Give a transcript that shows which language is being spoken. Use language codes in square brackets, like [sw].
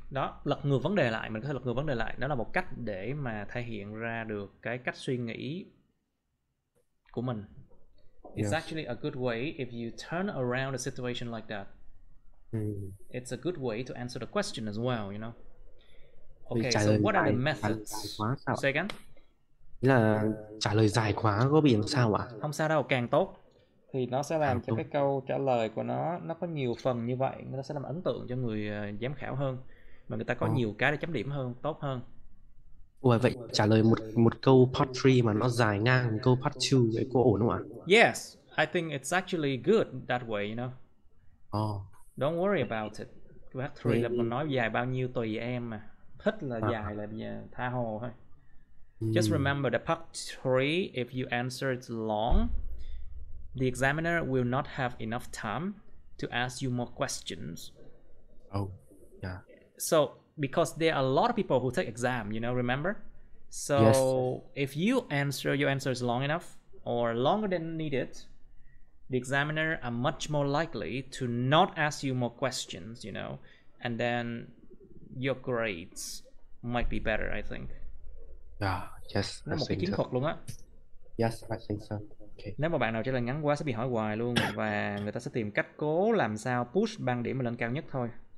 [vi] Đó, lật ngược vấn đề lại, mình có thể lật ngược vấn đề lại. Đó là một cách để mà thể hiện ra được cái cách suy nghĩ của mình. [en] It's actually a good way if you turn around a situation like that. It's a good way to answer the question as well, you know. Okay, so what are the methods? Say again. [vi] Là trả lời dài quá có bị làm sao ạ? Không sao đâu, càng tốt. Thì nó sẽ làm cho cái câu trả lời của nó có nhiều phần như vậy, nó sẽ làm ấn tượng cho người giám khảo hơn. Mà người ta có nhiều cái để chấm điểm hơn, tốt hơn. Vậy trả lời một câu part 3 mà nó dài ngang một câu part 2 vậy có ổn không ạ? [en] Yes, I think it's actually good that way, you know. Oh. Don't worry about it. [vi] Part 3 là mình nói dài bao nhiêu tùy em mà. Thích là dài là tha hồ thôi. [en] Just remember the part 3, if you answer it long, the examiner will not have enough time to ask you more questions. Oh, yeah. So, because there are a lot of people who take exam, you know, remember? So, if you answer your answers long enough or longer than needed, the examiner are much more likely to not ask you more questions, you know, and then your grades might be better, I think. Yeah, yes, [vi] nó một cái chiến thuật luôn á. [en] Yes, I think so. Okay. [vi] Nếu mà bạn nào trả lời ngắn quá sẽ bị hỏi hoài luôn và người ta sẽ tìm cách cố làm sao push bằng điểm lên cao nhất thôi.